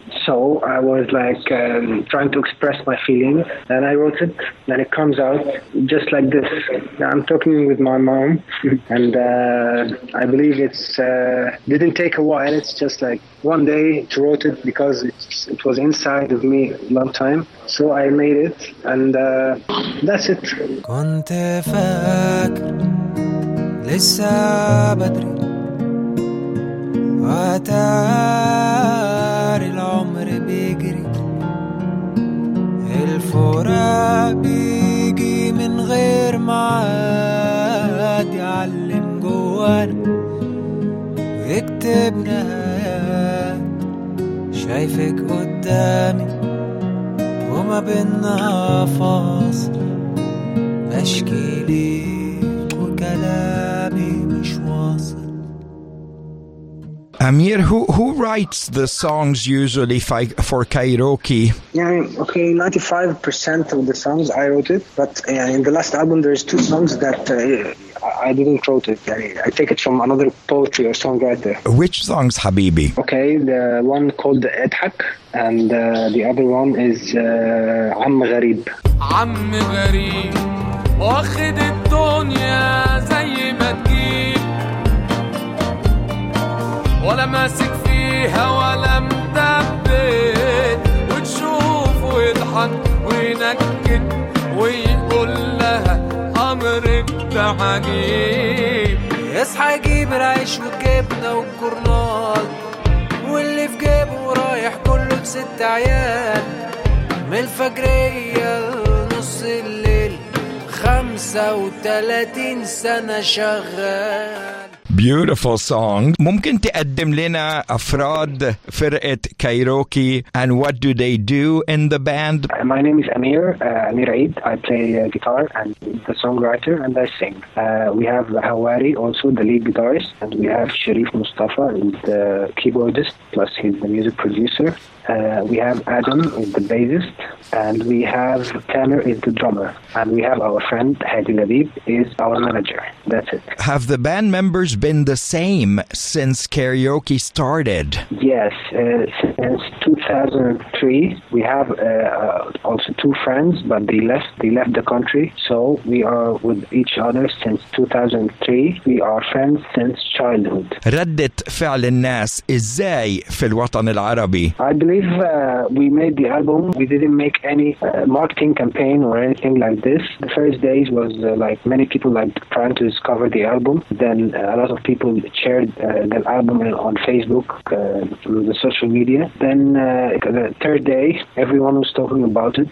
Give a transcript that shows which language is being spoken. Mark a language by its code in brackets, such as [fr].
[en] So I was like trying to express my feelings, and I wrote it, and it comes out just like this. I'm talking with my mom, and I believe it's didn't take a while. It's just like one day to wrote it because it was inside of me a long time. So I made it, and that's it. [ar] كنت فاكر لسه بدري وتاري العمر بيجري الفراق بيجي من غير معاد يعلم جوانا ويكتب نهايات شايفك قدامي وما بيننا فاصل بشكي ليك وكلامي مش واصل. [en] Amir, who writes the songs usually for Cairokee? Yeah, okay, 95% of the songs I wrote it, but in the last album there's two songs that I didn't wrote it. I take it from another poetry or songwriter. Which songs, Habibi? Okay, the one called Edhak, and the other one is Am Gharib. [ar] Am Gharib واخد الدنيا زي ما تجيب ولا ماسك فيها ولا مدبت وتشوف ويضحك وينكد ويقول لها أمرك ده عجيب يصحى يجيب العيش والجبنة والجرنال واللي في جيبه رايح كله بست عيال من الفجرية لنص الليل 35 سنة شغال. [en] Beautiful song. [ar] ممكن تقدم لنا أفراد فرقة كايروكي [en] and what do they do in the band? My name is Amir, Amir Eid. I play guitar and the songwriter and I sing. We have Hawary, also the lead guitarist, and we have Sherif Mostafa, the keyboardist, plus he's the music producer. We have Adam is the bassist, and we have Tamer is the drummer, and we have our friend Hadi Labib is our manager. That's it. Have the band members been the same since Cairokee started? Yes, since 2003 we have also two friends, but they left the country, so we are with each other since 2003. We are friends since childhood. [ar] ردت فعل الناس ازاي في الوطن العربي؟ [en] I believe we made the album, we didn't make any marketing campaign or anything like this. The first days was like many people like trying to discover the album. Then a lot of people shared the album on Facebook, through the social media. Then the third day, everyone was talking about it.